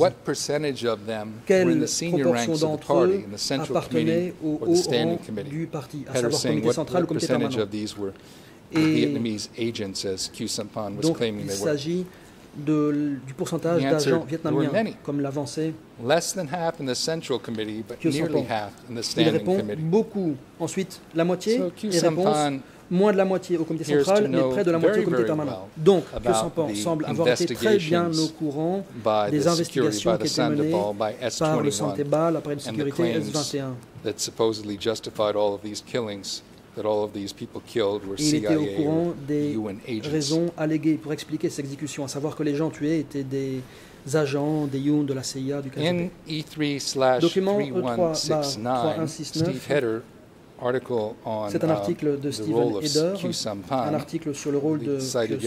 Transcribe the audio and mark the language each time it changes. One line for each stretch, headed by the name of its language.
English: what percentage of them were in the senior ranks of the party, in the central committee, or the standing committee? Heder saying, what percentage of these were Vietnamese agents, as Q. Sampan was claiming they were?
French: Du pourcentage d'agents vietnamiens, comme l'avançait.
English: Less than half in the central committee, but nearly half in the standing committee.
French: Beaucoup. Ensuite, la moitié, et réponse, moins de la moitié au comité central, mais près de la moitié au comité permanent. Donc, Q. Sampan semble avoir été très bien au courant des investigations qui étaient menées par le Santebal, l'appareil de sécurité S21.
English: That supposedly justified all of these killings, that all of these people killed were CIA or UN agents.
French: Il était au courant des raisons alléguées pour expliquer ces exécutions, à savoir que les gens tués étaient des agents, des UN, de la CIA, du KGB.
English: In E3/3169, Steve Heder, article on
French: c'est un article de
English: the role
French: Heder,
English: of Q. Sampan,
French: un article sur le rôle de cited Q.